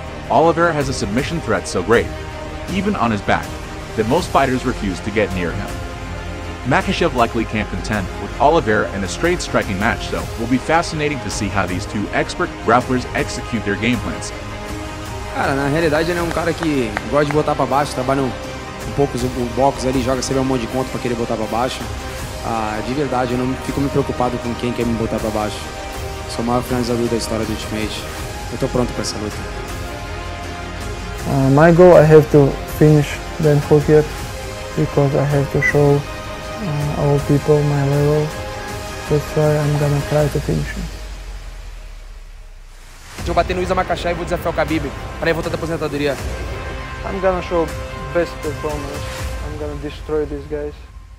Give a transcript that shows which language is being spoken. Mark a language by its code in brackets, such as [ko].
[en] Oliveira has a submission threat so great, even on his back, that most fighters refuse to get near him. Makhachev likely can't contend with Oliveira in a straight striking match, though. Will be fascinating to see how these two expert grapplers execute their game plans. [pt] Cara, na realidade ele é cara que gosta de botar para baixo, trabalha um pouco o box ali, joga sempre um monte de conto para querer botar para baixo. De verdade, eu não fico me preocupado com quem quer me botar para baixo. Sou o maior finalizador da história do Ultimate. Eu tô pronto para essa luta. [en] My goal, I have to finish than forget, because I have to show all people my level. That's why I'm gonna try to finish him. [pt] Eu vou bater no Islam Makhachev e vou desafiar o Khabib para ir voltar da aposentadoria. [en] I'm gonna show best performance. I'm gonna destroy these guys.